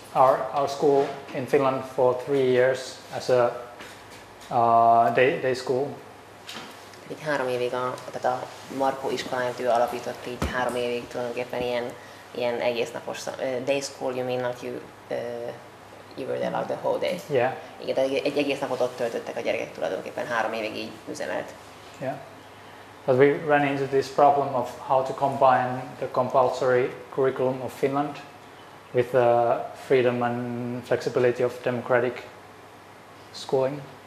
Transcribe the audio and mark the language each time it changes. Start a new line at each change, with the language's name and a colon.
English: Our school in Finland for 3 years as a day school.
Hungarian: Pedig három évig tehát a Marko iskoláját ő alapított így három évig tulajdonképpen ilyen egésznapos
English: day school, you mean not you were there like the whole day. Yeah.
Hungarian: Igen, tehát egy egész napot ott töltöttek a gyerekek tulajdonképpen három évig így üzemelt.
English: Yeah. But we ran into this problem of how to combine the compulsory curriculum of Finland with the freedom and flexibility of democratic schooling.